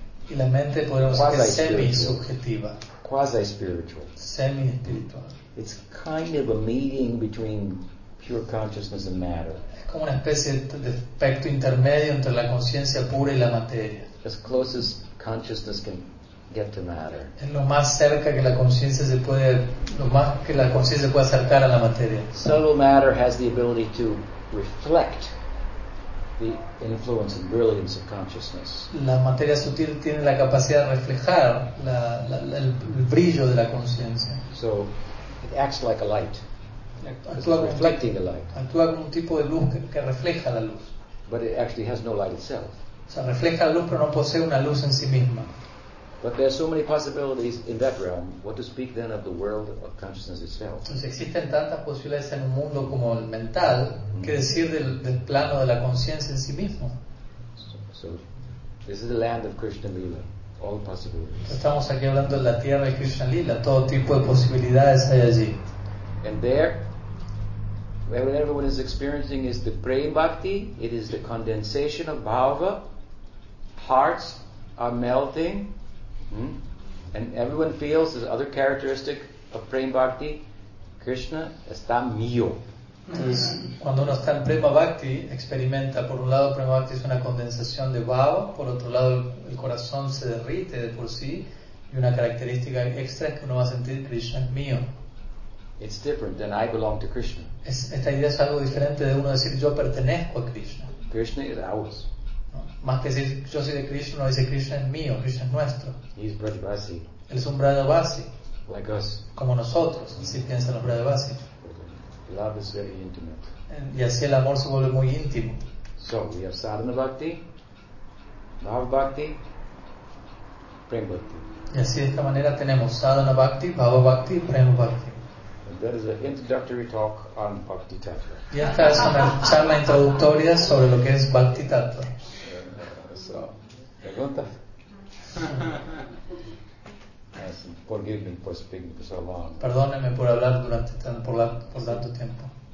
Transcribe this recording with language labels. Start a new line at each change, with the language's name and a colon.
Spanish: Y la mente podemos decir que es semi-subjetiva.
English: Quasi-spiritual.
Spanish: Semi-espiritual.
English: It's kind of a meeting between pure consciousness and matter.
Spanish: Es como una especie de aspecto intermedio entre la conciencia pura y la materia.
English: As close as consciousness can get to matter.
Spanish: Es lo más cerca que la conciencia se puede, lo más que la conciencia puede acercar a la materia.
English: Solo matter has the ability to reflect the influence and brilliance of consciousness.
Spanish: La materia sutil tiene la capacidad de reflejar el brillo de la conciencia.
English: So it acts like a light. Reflecting the light.
Spanish: Actúa como un tipo de luz que refleja la luz.
English: But it actually has no light itself.
Spanish: O sea, refleja la luz pero no posee una luz en sí misma.
English: But there are so many possibilities in that realm. What to speak then of the world of consciousness itself?
Spanish: Entonces existen tantas posibilidades en un mundo como el mental, ¿qué decir del plano de la conciencia en sí mismo?
English: So this is the land of Krishna Lila, all possibilities.
Spanish: Estamos aquí hablando de la tierra de Krishna Lila, todo tipo de posibilidades hay allí.
English: And there, What everyone is experiencing is the Prem Bhakti. It is the condensation of Bhava. Hearts are melting. And everyone feels this other characteristic of Prem Bhakti.
Spanish: Krishna está mío. Entonces, cuando uno está en Prema Bhakti, experimenta, por un lado, Prema Bhakti es una condensación de Bhava, por otro lado, el corazón se derrite de por sí, y una característica extra es que uno va a sentir Krishna es mío.
English: It's different than I belong to Krishna.
Spanish: Esta idea es algo diferente de uno decir yo pertenezco a Krishna.
English: Krishna is ours.
Spanish: ¿No? Más que decir yo soy de Krishna, uno dice Krishna es mío, Krishna es nuestro.
English: He's Brajavasi.
Spanish: Él es un Brajavasi.
English: Like us.
Spanish: Como nosotros, si piensa en los Brajavasi.
English: Love is very intimate.
Spanish: Y así el amor se vuelve muy íntimo.
English: So we have sadhana bhakti, bhava bhakti, prema bhakti.
Spanish: Y así de esta manera tenemos sadhana bhakti, bhava bhakti, prema bhakti.
English: And that is an introductory talk on bhakti tattva.
Spanish: Y esta es una charla introductoria sobre lo que es bhakti tattva.
English: So,
Spanish: pregunta.
English: Forgive me for speaking for so long.
Spanish: Perdóneme por hablar durante por tanto tiempo.